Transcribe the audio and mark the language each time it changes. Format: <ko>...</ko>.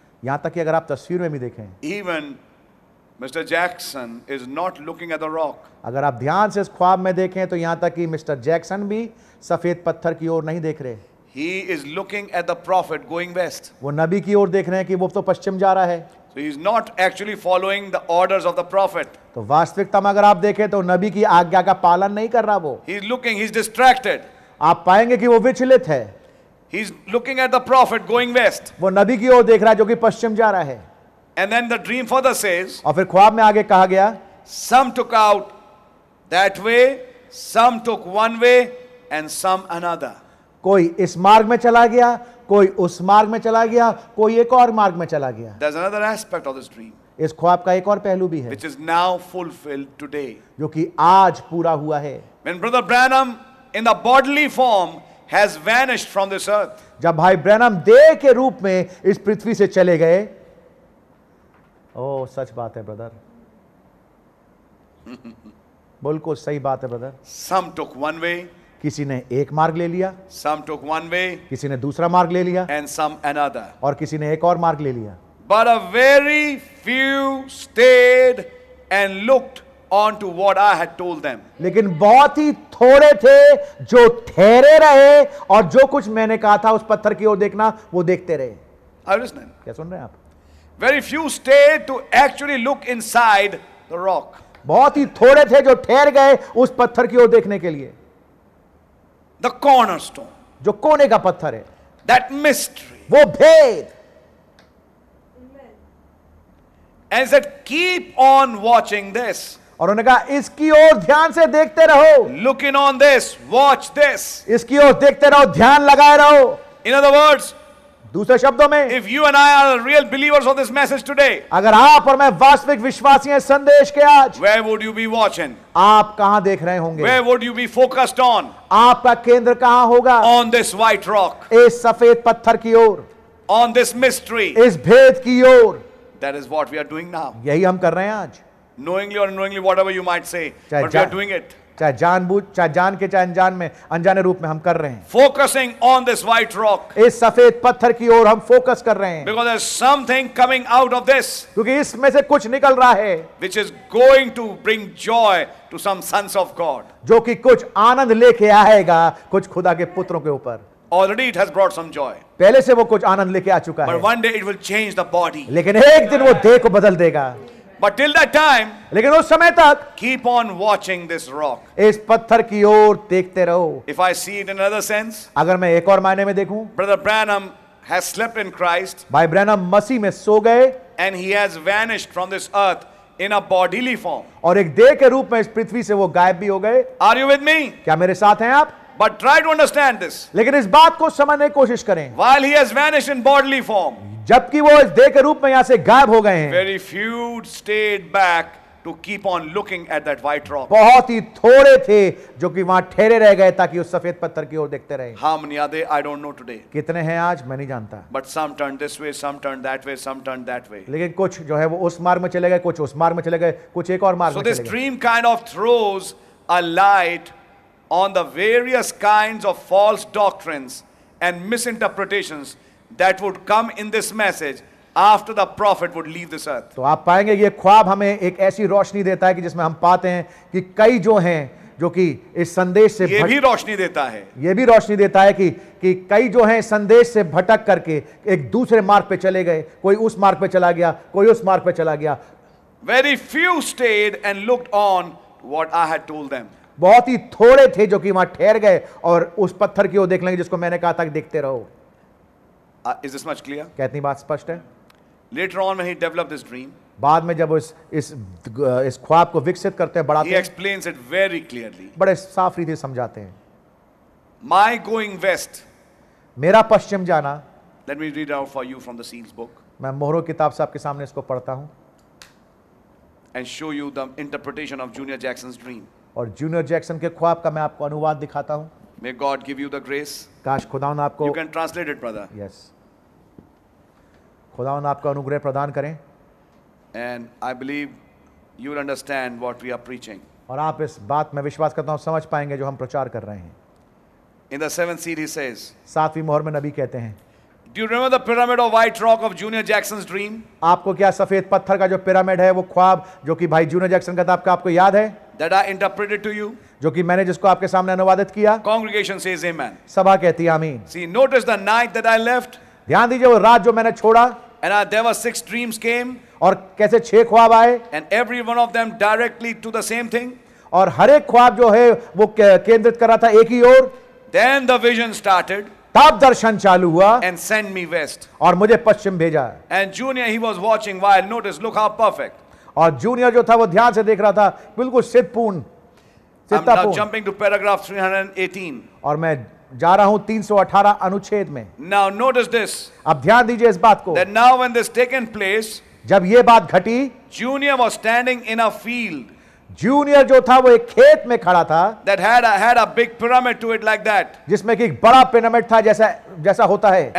<hi>यहां तक कि अगर आप तस्वीर में भी देखें,</hi> <en>even mister Jackson is not looking at the rock,</en> <hi>अगर आप ध्यान से इस ख्वाब में देखें तो यहां तक कि मिस्टर जैक्सन भी सफेद पत्थर की ओर नहीं देख रहे,</hi> <en>he is looking at the prophet going west,</en> <hi>वो नबी की ओर देख रहे हैं कि वो तो पश्चिम जा रहा है,</hi> <en>so he is not actually following the orders of the prophet.</en> <hi>तो वास्तविकता में अगर आप देखें तो नबी की आज्ञा का पालन नहीं कर रहा वो,</hi> <en>he is looking, he is distracted.</en> <hi>आप पाएंगे कि वो विचलित है.</hi> <en>He's looking at the prophet going west.</en> <hi>वो नबी की ओर देख रहा है जो कि पश्चिम जा रहा है.</hi> <en>And then the dream further says.</en> <hi>और फिर ख्वाब में आगे कहा गया.</hi> <en>Some took out that way, some took one way, and some another.</en> <hi>कोई इस मार्ग में चला गया, कोई उस मार्ग में चला गया, कोई एक और मार्ग में चला गया.</hi> <en>There's another aspect of this dream.</en> <hi>इस ख्वाब का एक और पहलू भी है.</hi> <en>Which is now fulfilled today.</en> <hi>जो कि आज पूरा हुआ है.</hi> <en>When Brother Branham in the bodily form. Has vanished from this earth.</en> <hi>जब भाई ब्रैनम देह के रूप में इस पृथ्वी से चले गए, सच बात है ब्रदर, बिल्कुल सही बात है brother.</hi> <en>Some took one way.</en> <hi>किसी ने एक मार्ग ले लिया.</hi> <en>Some took one way.</en> <hi>किसी ने दूसरा मार्ग ले लिया.</hi> <en>And some another.</en> <hi>और किसी ने एक और मार्ग ले लिया.</hi> <en>But a very few stayed and looked. On to what I had told them.</en> <hi>लेकिन बहुत ही थोड़े थे जो ठहरे रहे और जो कुछ मैंने कहा था उस पत्थर की ओर देखना वो देखते रहे.</hi> <en>Are you listening?</en> <hi>क्या सुन रहे हैं आप?</hi> <en>Very few stayed to actually look inside the rock.</en> <hi>बहुत ही थोड़े थे जो ठहर गए उस पत्थर की ओर देखने के लिए.</hi> <en>The cornerstone.</en> <hi>जो कोने का पत्थर है.</hi> <en>That mystery.</en> <hi>वो भेद.</hi> <en>Amen. And said, keep on watching this.</en> <hi>और उन्होंने कहा इसकी ओर ध्यान से देखते रहो.</hi> <en>Looking on this, watch this.</en> <hi>इसकी ओर देखते रहो, ध्यान लगाए रहो.</hi> <en>In other words,</en> <hi>दूसरे शब्दों में,</hi> <en>if you and I are real believers of this message today,</en> <hi>अगर आप और मैं वास्तविक विश्वासी हैं संदेश के आज,</hi> <en>where would you be watching?</en> <hi>आप कहां देख रहे होंगे?</hi> <en>Where would you be focused on?</en> <hi>आपका केंद्र कहां होगा?</hi> <en>On this white rock.</en> <hi>इस सफेद पत्थर की ओर.</hi> <en>On this mystery.</en> <hi>इस भेद की ओर.</hi> <en>That is what we are doing now.</en> <hi>यही हम कर रहे हैं आज.</hi> <en>Knowingly or unknowingly, whatever you might say, but we are doing it.</en> <hi>चाहे जानबूझ, चाहे जान के, चाहे अनजान में, अनजाने रूप में हम कर रहे हैं.</hi> <en>Focusing on this white rock.</en> <hi>इस सफेद पत्थर की ओर हम फोकस कर रहे हैं.</hi> <en>Because there's something coming out of this.</en> <hi>क्योंकि इसमें से कुछ निकल रहा है.</hi> <en>Which is going to bring joy to some sons of God.</en> <hi>जो कि कुछ आनंद लेके आएगा कुछ खुदा के पुत्रों के ऊपर.</hi> <en>Already it has brought some joy.</en> <hi>पहले से वो कुछ आनंद लेके आ चुका है.</hi> <en>But one day it will change the body.</en> <hi>लेकिन एक दिन वो देह को बदल देगा.</hi> <en>But till that time,</en> <hi>लेकिन उस समय तक,</hi> <en>keep on watching this rock.</en> <hi>इस पत्थर की ओर देखते रहो.</hi> <en>If I see it in another sense,</en> <hi>अगर मैं एक और मायने में देखूं,</hi> <en>Brother Branham has slept in Christ.</en> <hi>भाई ब्रैनम मसीह में सो गए.</hi> <en>And he has vanished from this earth in a bodily form.</en> <hi>और एक देह के रूप में इस पृथ्वी से वो गायब भी हो गए.</hi> <en>Are you with me?</en> <hi>क्या मेरे साथ हैं आप?</hi> <en>But try to understand this.</en> <hi>लेकिन इस बात को समझने की कोशिश करें.</hi> <en>While he has vanished in bodily form.</en> <hi>जबकि वो इस देह के रूप में यहां से गायब हो गए हैं.</hi> <en>Very few stayed back. to keep on looking at that white rock.</en> <hi>बहुत ही थोड़े थे जो कि वहाँ ठहरे रह गए ताकि उस सफेद पत्थर की ओर देखते रहे.</hi> <en>How many are they? I don't know today.</en> <hi>कितने हैं आज? मैं नहीं जानता.</hi> <en>But some turned this way, some turned that way, some turned that way.</en> <hi>लेकिन कुछ जो है वो उस मार्ग में चले गए, कुछ उस मार्ग में चले गए, कुछ एक और मार्ग में चले गए.</hi> <en>So this dream kind of throws a light on the various kinds of false doctrines and misinterpretations that would come in this message. After the prophet would leave this earth.</en> <hi>तो आप पाएंगे ये ख्वाब हमें एक ऐसी रोशनी देता है कि जिसमें हम पाते हैं कि कई जो हैं जो कि इस संदेश से ये भी रोशनी देता है. ये भी रोशनी देता है कि कई जो हैं संदेश से भटक करके एक दूसरे मार्ग पे चले गए. कोई उस मार्ग पे चला गया, कोई उस मार्ग पे चला गया.</hi> <en>Very few stayed and looked on what I had told them.</en> <hi>बहुत ही थोड़े थे जो कि वहां ठहर गए और उस पत्थर की ओर देखने लगे जिसको मैंने कहा था कि देखते रहो.</hi> <en>Is this much clear?</en> <hi>कितनी बात स्पष्ट है?</hi> <en>Later on, when he developed this dream,</en> <hi>बाद में जब इस ख्वाब को विकसित करते हैं, बढ़ाते हैं,</hi> <en>he explains it very clearly.</en> <hi>बड़े साफ रीति समझाते हैं.</hi> <en>My going west,</en> <hi>मेरा पश्चिम जाना.</hi> <en>Let me read out for you from the seals book.</en> <hi>मैं मोहरों किताब से आपके सामने इसको पढ़ता हूं.</hi> <en>And show you the interpretation of Junior Jackson's dream.</en> <hi>और जूनियर जैक्सन के ख्वाब का मैं आपको अनुवाद दिखाता हूं.</hi> <en>May God give you the grace.</en> <hi>काश खुदावन आपको.</hi> <en>You can translate it, brother. Yes.</en> <hi>खुदावन आपका अनुग्रह प्रदान करें.</hi> <en>And I believe you will understand what we are preaching.</en> <hi>और आप इस बात में विश्वास करता हूं समझ पाएंगे जो हम प्रचार कर रहे हैं.</hi> <en>In the seventh seal he says.</en> <hi>सातवीं मोहर में नबी कहते हैं.</hi> <en>Do you remember the pyramid of white rock of Junior Jackson's dream?</en> <hi>आपको क्या सफेद पत्थर का जो पिरामिड है वो ख्वाब जो कि भाई जूनियर जैक्सन का था आपका आपको याद है?</hi> <en>That I interpreted to you.</en> <hi>जो कि मैंने जिसको आपके सामने अनुवादित किया.</hi> <en>Congregation says amen.</en> <hi>सभा कहती है आमीन.</hi> <en>See, notice the night that I left.</en> <hi>ध्यान दीजिए वो रात जो मैंने छोड़ा.</hi> <en>And there were six dreams came.</en> <hi>और कैसे छह ख्वाब आए.</hi> <en>And every one of them directly to the same thing.</en> <hi>और हर एक ख्वाब जो है वो केंद्रित कर रहा था एक ही ओर.</hi> <en>Then the vision started.</en> <hi>तब दर्शन चालू हुआ.</hi> <en>And send me west.</en> <hi>और मुझे पश्चिम भेजा.</hi> <en>And Junior, he was watching while notice, look how perfect.</en> <hi>और जूनियर जो था वो ध्यान से देख रहा था बिल्कुल सिद्धपूर्ण.</hi> <en>I'm now jumping to paragraph 318.</en> <hi>और मैं जा रहा हूं 318 अनुच्छेद में.</hi> <en>Now notice this.</en> <hi>अब ध्यान दीजिए इस बात को.</hi> <en>That now when this taken place,</en> <hi>जब ये बात घटी,</hi> <en>Junior was standing in a field.</en> <hi>Junior जो था वो एक खेत में खड़ा था.</hi> <en>That had a big pyramid to it like that.</en> <hi>जिसमें कि एक बड़ा पिरामिड था जैसा होता है.</hi>